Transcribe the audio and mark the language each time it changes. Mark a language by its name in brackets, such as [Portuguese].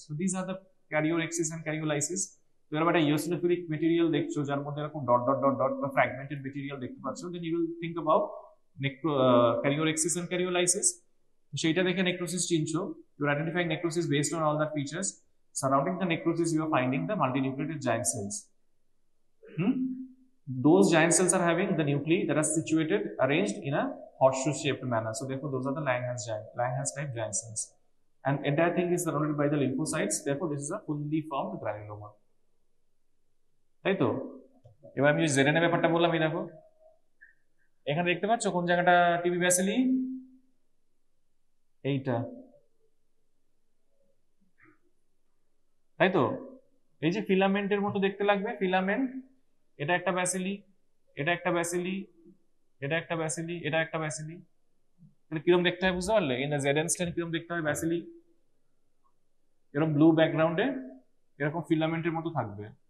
[English] So this are the karyorrhexis and karyolysis. [Bangla] তো এরকম একটা ইওসিনোফিলিক মেটেরিয়াল দেখছো, যার মধ্যে এরকম ডট ডট ডট ডট বা ফ্র্যাগমেন্টেড মেটেরিয়াল দেখতে পাচ্ছ, [English] Then you will think about karyorrhexis and karyolysis. [Bangla] সেইটা দেখে necrosis চিনছো, [English] You are identifying necrosis based on all the features surrounding the necrosis, you are finding the multinucleated giant cells. Those giant cells are having the nuclei that are situated, arranged in a horseshoe-shaped manner. So therefore, those are the Langhans-type giant cells. And entire thing is surrounded by the lymphocytes. Therefore, this is a fully formed granuloma. [Bangla] তাই তো? এবার আমি জেনে নেবে ব্যাপারটা বললাম, এই দেখো এখানে দেখতে পাচ্ছ কোন জায়গাটা টিবি ব্যাসিলি, এইটা, তাই তো? এই যে ফিলামেন্টের মতো দেখতে লাগবে, ফিলামেন্ট, এটা একটা ব্যাসিলি, এটা একটা ব্যাসিলি, এটা একটা ব্যাসিলি, এটা একটা ব্যাসিলি, এটা কিরম দেখতে হয় বুঝতে পারলে, এটা জেড এনস্টেন কিরম দেখতে হয় ব্যাসিলি, এরকম ব্লু ব্যাকগ্রাউন্ডে এরকম ফিলামেন্টের মতো থাকবে।